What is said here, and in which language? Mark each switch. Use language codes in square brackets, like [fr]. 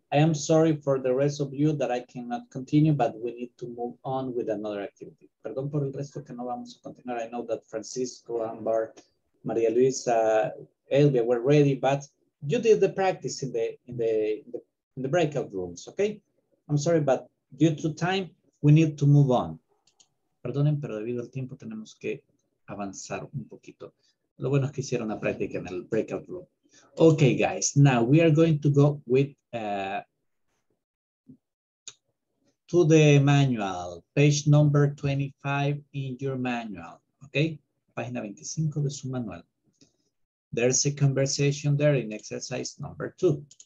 [en] I am sorry for the rest of you that I cannot continue, but we need to move on with another activity. [es] Perdón por el resto que no vamos a continuar. [en] I know that Francisco, Ambar, Maria Luisa, Elvia were ready, but you did the practice in the breakout rooms, okay? I'm sorry, but due to time, we need to move on. [es] Perdonen, pero debido al tiempo tenemos que avanzar un poquito. Lo bueno es que hicieron la práctica en el breakout room. [en] Okay, guys, now we are going to go with to the manual, page number 25 in your manual, okay? [es] Página 25 de su manual. [en] There's a conversation there in exercise number 2.